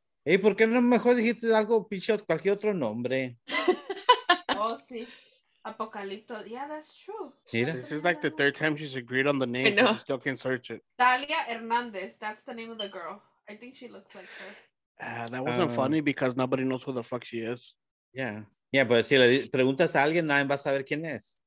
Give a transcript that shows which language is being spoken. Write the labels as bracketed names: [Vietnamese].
[Spanish] Hey, ¿por qué no mejor dijiste algo, pinche, cualquier otro nombre? Oh, sí. Apocalipto. [English] Yeah, that's true. [Spanish] Mira. [English] This is like the third time she's agreed on the name. I know. She still can search it. Dalia Hernandez. That's the name of the girl. I think she looks like her. That wasn't funny because nobody knows who the fuck she is. Yeah. Yeah, [Spanish] pero si le preguntas a alguien, nadie va a saber quién es.